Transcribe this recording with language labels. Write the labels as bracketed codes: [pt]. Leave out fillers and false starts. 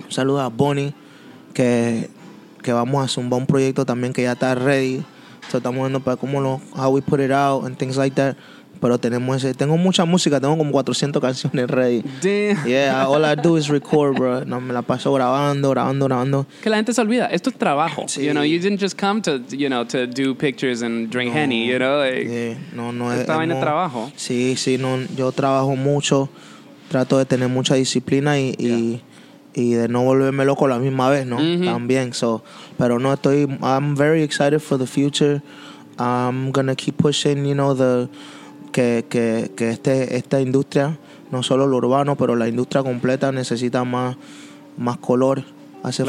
[es] Saluda a Bonnie que vamos a zumbar un proyecto también que ya está ready. So estamos viendo para cómo [en] how we put it out and things like that. [es] pero tenemos ese, tengo mucha música, tengo como 400 canciones ready. [en] Damn. Yeah, all I do is record, bro. [es] No, me la paso grabando. Que la gente se olvida, esto es trabajo. Sí. [en] You know, you didn't just come to, you know, to do pictures and drink henny, you know. Like, yeah, no [es] esta vaina es trabajo. Sí, sí, no, yo trabajo mucho, trato de tener mucha disciplina y de no volverme loco la misma vez, ¿no? Mm-hmm. También, [en] so, [es] pero no estoy, [en] I'm very excited for the future. I'm gonna keep pushing, you know, the [es] que esta industria, no solo lo urbano, pero la industria completa necesita más color, hace